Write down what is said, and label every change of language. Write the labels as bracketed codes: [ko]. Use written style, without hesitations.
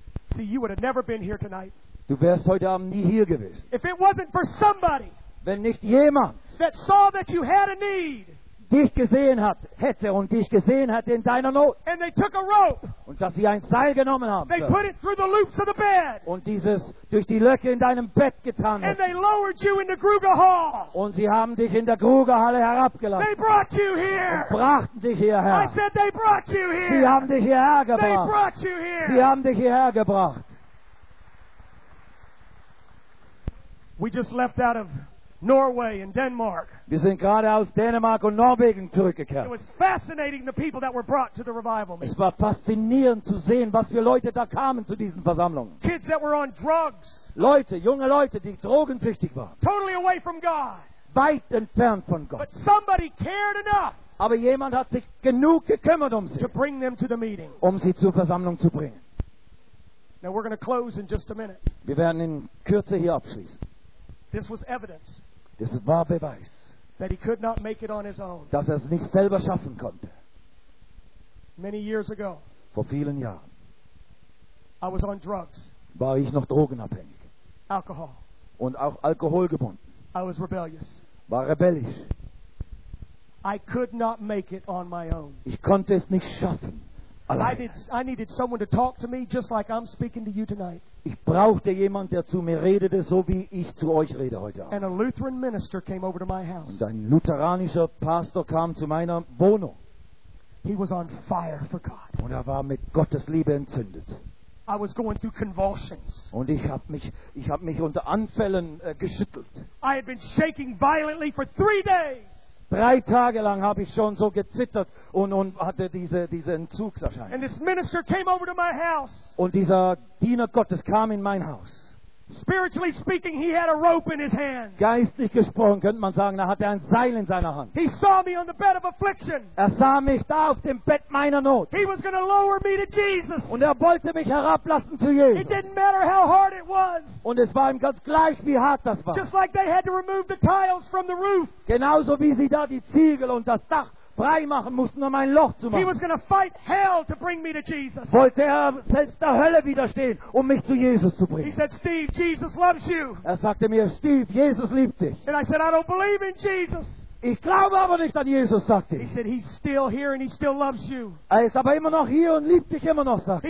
[en] See, you would have never been here tonight. [de] Du wärst heute Abend nie hier gewesen. [en] If it wasn't for somebody. [de] Wenn nicht jemand. [en] That saw that you had a need. [de] Dich gesehen hat, hätte und dich gesehen hat in deiner Not. [en] And they took a rope. [de] Und dass sie ein Seil genommen haben. [en] They put it through the loops of the bed. [de] Und dieses durch die Löcher in deinem Bett getan haben. [en] And they lowered you in the Gruger Hall. [de] Und sie haben dich in der Grugerhalle herabgelassen. [en] They brought you here. [de] Und brachten dich hierher. [en] I said they brought you here. [de] Sie haben dich hierher gebracht. [en] They brought you here. [de] Sie haben dich hierher gebracht. [en] We just left out of Norway and Denmark. [de] Wir sind gerade aus Dänemark und Norwegen zurückgekehrt. [en] It was fascinating the people that were brought to the revival meeting. [de] Es war faszinierend zu sehen, was für Leute da kamen zu diesen Versammlungen. [en] Kids that were on drugs. [de] Leute, junge Leute, die drogensüchtig waren. [en] Totally away from God. [de] Weit entfernt von Gott. [en] But somebody cared enough. [de] Aber jemand hat sich genug gekümmert um sie. [en] To bring them to the meeting. [de] Um sie zur Versammlung zu bringen. [en] Now we're going to close in just a minute. [de] Wir werden in Kürze hier abschließen. [en] This was evidence. [de] Das war Beweis. [en] That he could not make it on his own. [de] Dass er es nicht selber schaffen konnte. [en] Many years ago. [de] Vor vielen Jahren. [en] I was on drugs. [de] War ich noch drogenabhängig. [en] Alcohol. [de] Und auch alkoholgebunden. [en] I was rebellious. [de] War rebellisch. [en] I could not make it on my own. [de] Ich konnte es nicht schaffen. [en] I needed someone to talk to me just like I'm speaking to you tonight. [de] Ich brauchte jemanden, der zu mir redete, so wie ich zu euch rede heute Abend. [en] And a Lutheran minister came over to my house. [de] Und ein lutheranischer Pastor kam zu meiner Wohnung. [en] He was on fire for God. [de] Und war mit Gottes Liebe entzündet. [en] I was going through convulsions. [de] Und ich hab mich unter Anfällen geschüttelt. [en] I had been shaking violently for 3 days. [de] 3 Tage lang habe ich schon so gezittert und hatte diese Entzugserscheinung. [en] And this minister came over to my house. [de] Und dieser Diener Gottes kam in mein Haus. [en] Spiritually speaking, he had a rope in his hand. [de] Geistlich gesprochen könnte man sagen, er hatte ein Seil in seiner Hand. [en] He saw me on the bed of affliction. [de] Er sah mich da auf dem Bett meiner Not. [en] He was going to lower me to Jesus. [de] Und er wollte mich herablassen zu Jesus. [en] It didn't matter how hard it was. [de] Und es war ihm ganz gleich, wie hart das war. [en] Just like they had to remove the tiles from the roof. [de] Genauso wie sie da die Ziegel und das Dach freimachen mussten, um ein Loch zu machen. [en] He was going to fight hell to bring me to Jesus. [de] Wollte er selbst der Hölle widerstehen, um mich zu Jesus zu bringen. [en] He said, Steve, Jesus loves you. [de] Er sagte mir, Steve, Jesus liebt dich. [en] And I said, I don't believe in Jesus. [de] Ich glaube aber nicht an Jesus, sagte er. [en] He said, he's still here and he still loves you. [de] Er ist aber immer noch hier und liebt dich immer noch, sagte er.